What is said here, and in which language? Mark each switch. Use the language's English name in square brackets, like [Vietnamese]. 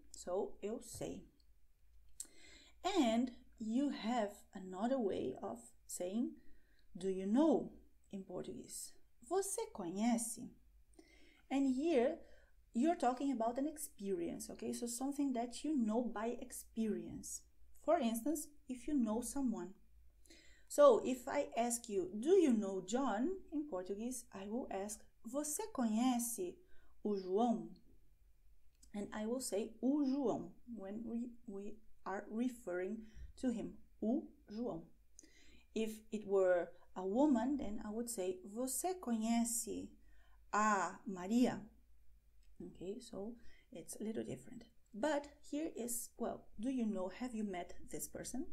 [English] So [Portuguese] eu sei. [English] And you have another way of saying do you know in Portuguese. [Portuguese] Você conhece? [English] And here, you're talking about an experience, okay? So something that you know by experience. For instance, if you know someone. So if I ask you, do you know John? In Portuguese, I will ask, [Portuguese] você conhece o João? [English] And I will say o João when we are referring to him, o João. If it were a woman, then I would say, [Portuguese] você conhece a Maria? [English] Okay, so it's a little different. But here is, well, do you know, have you met this person?